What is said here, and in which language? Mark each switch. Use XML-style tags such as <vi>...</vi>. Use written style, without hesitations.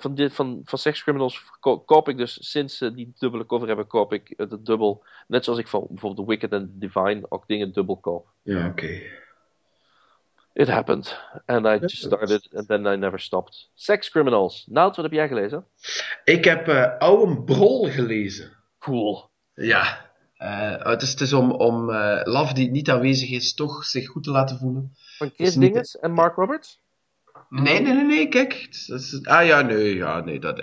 <nl>Van Sex Criminals koop ik dus, sinds ze die dubbele cover hebben, koop ik de dubbel. Net zoals ik van bijvoorbeeld The Wicked en Divine ook dingen dubbel koop. Ja, oké.</nl> <en>It happened. And I just started and then I never stopped.</en> <nl>Sex Criminals. Nout, wat heb jij gelezen? Ik heb Owen Brol gelezen. Cool. Ja. Het is om Love, die niet aanwezig is, toch zich goed te laten voelen. Van Chris Dinges en Mark Roberts? Nee, kijk. Nee.</nl>